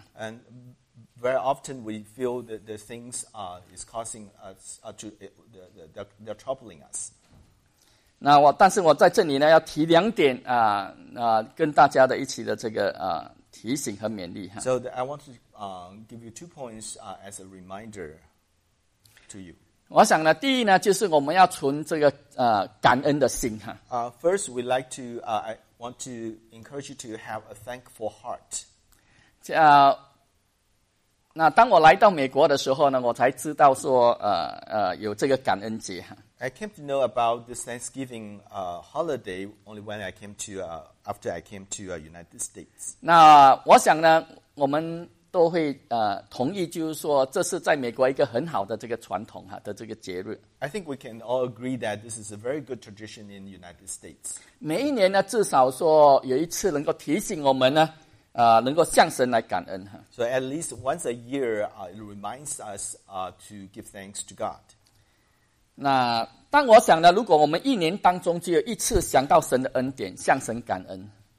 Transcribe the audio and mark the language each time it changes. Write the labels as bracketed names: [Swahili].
[English] And very often we feel that the things is causing us they're troubling us. [Chinese] 那我但是我在这里呢要提两点跟大家的一起的这个提醒和勉励。 [English] So I want to give you 2 points as a reminder to you. [Chinese] 我想呢，第一呢，就是我们要存这个感恩的心哈。 [English] First, we like to I want to encourage you to have a thankful heart. [Chinese] 那当我来到美国的时候呢，我才知道说有这个感恩节哈。 [English] I came to know about this Thanksgiving holiday only when I came to after I came to United States. [Chinese] 那我想呢，我们都会同意，就是说这是在美国一个很好的这个传统哈的这个节日。 [English] I think we can all agree that this is a very good tradition in the United States. [Chinese] 每一年呢，至少说有一次能够提醒我们呢，能够向神来感恩哈。 [English] So at least once a year, it reminds us to give thanks to God. [Chinese] 那但我想呢，如果我们一年当中只有一次想到神的恩典，向神感恩。